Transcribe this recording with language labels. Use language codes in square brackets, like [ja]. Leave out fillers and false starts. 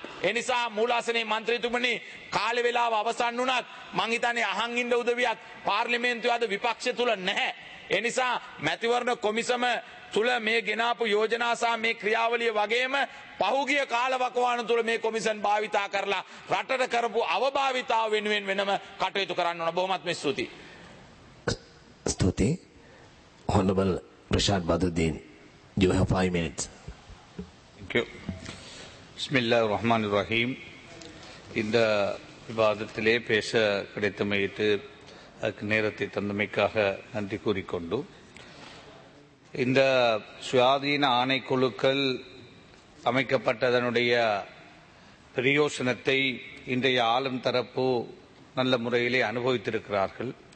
[si] ඒ නිසා මූලාසනයේ මන්ත්‍රීතුමනි කාලේ වෙලාව අවසන් වුණත් මං හිතන්නේ අහන් ඉන්න උදවියක් පාර්ලිමේන්තුවේ අද විපක්ෂය තුල නැහැ. ඒ නිසා මැතිවරණ කොමිසම තුල මේ ගෙනාපු යෝජනා සහ මේ ක්‍රියාවලිය වගේම පහුගිය කාලවකවාන තුල මේ කොමිසම් භාවිතා කරලා රටට කරපු අවභාවිතාව වෙනුවෙන් වෙනම කටයුතු කරන්න ඕන. බොහොමත්ම ස්තුතියි. ස්තුතියි. [en] Honorable Prashad Badruddin, you have 5 minutes. Thank you. [ar] Bismillah ar-Rahman ar-Rahim. [ta] இந்த விவாதத்திலே பேச கிடைத்தமைக்கு நேரத்தை தந்தமைக்காக நன்றி கூறிக்கொண்டு இந்த சுயாதீன ஆணைக்குழுக்கள் அமைக்கப்பட்டதனுடைய பிரயோசனத்தை இன்றைய ஆளும் தரப்பு நல்ல முறையிலே அனுபவித்திருக்கிறார்கள்.